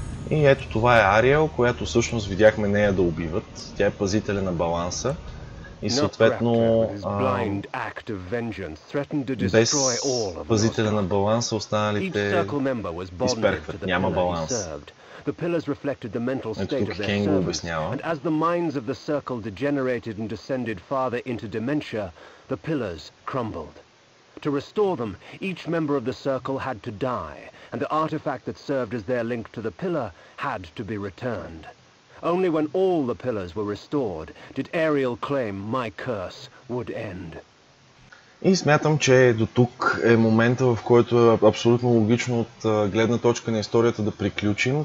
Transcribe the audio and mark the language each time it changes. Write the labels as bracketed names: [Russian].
[Bulgarian] И ето това е Ариел, която всъщност видяхме нея да убиват. Тя е пазителя на баланса. И съответно, без позите на баланса, останалите изперхват, няма баланс. [English] The pillars reflected the mental state of their servants, and as the minds of the circle degenerated and descended farther into dementia, the pillars crumbled. To restore them, each member of the circle had to die, and the artifact that served as their link to the pillar had to be returned. Only when all the pillars were restored did Ariel claim my curse would end. [Bulgarian] И смятам, че до тук е момента, в който е абсолютно логично от гледна точка на историята да приключим.